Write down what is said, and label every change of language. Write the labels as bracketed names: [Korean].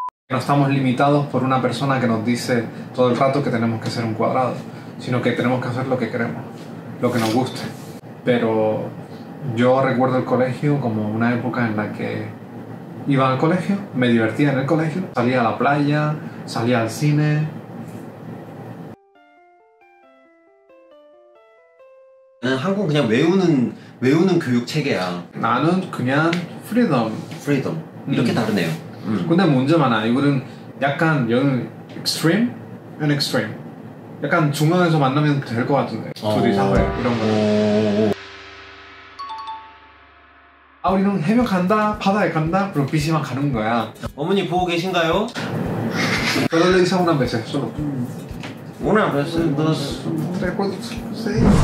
[Spanish] No estamos limitados por una persona que nos dice todo el rato que tenemos que ser un cuadrado, sino que tenemos que hacer lo que queremos, lo que nos guste. Pero yo recuerdo el colegio como una época en la que iba al colegio, me divertía en el colegio, salía a la playa, salía al cine. [Korean] 한국 그냥 외우는 교육 체계야. 나는 그냥 freedom. Freedom. 이렇게 다르네요. 근데 문제 많아. 이거는 약간 여는 [English] extreme and extreme. [Korean] 약간 중간에서 만나면 될 것 같은데. 둘이 사회 이런 거. 아 우리는 해변 간다, 바다에 간다, 그럼 PC만 가는 거야. 어머니 보고 계신가요? 저를 이상한 배세 쏘. [Spanish] Una vez, dos, tres, cuatro, seis.